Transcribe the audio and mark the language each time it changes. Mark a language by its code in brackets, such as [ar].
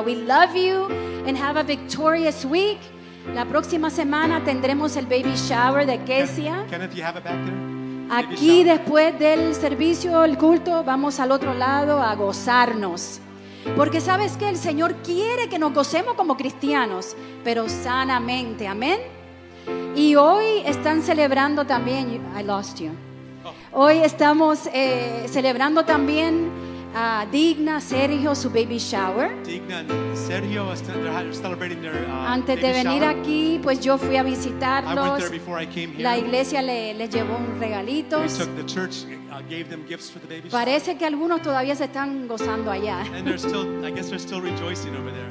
[en] We love you and have a victorious week. [es] La próxima semana tendremos el baby shower de Kesia. [en] Kenneth, you have it back there? [es] Aquí después del servicio, el culto, vamos al otro lado a gozarnos. Porque sabes que el Señor quiere que nos gocemos como cristianos, pero sanamente, amén. Y hoy están celebrando también, [en] I lost you. [es] Hoy estamos celebrando también a Digna, Sergio, su baby shower. [en] Digna, Sergio, they're celebrating their baby shower. [es] Antes de venir [en] shower. [es] Aquí, pues yo fui a visitarlos. [en] I went there before I came here. [es] La iglesia les llevó un regalito. [en] We took the church. Gave them gifts for the baby. [es] Parece que algunos todavía se están gozando allá. [en] And they're still, I guess they're still rejoicing over there.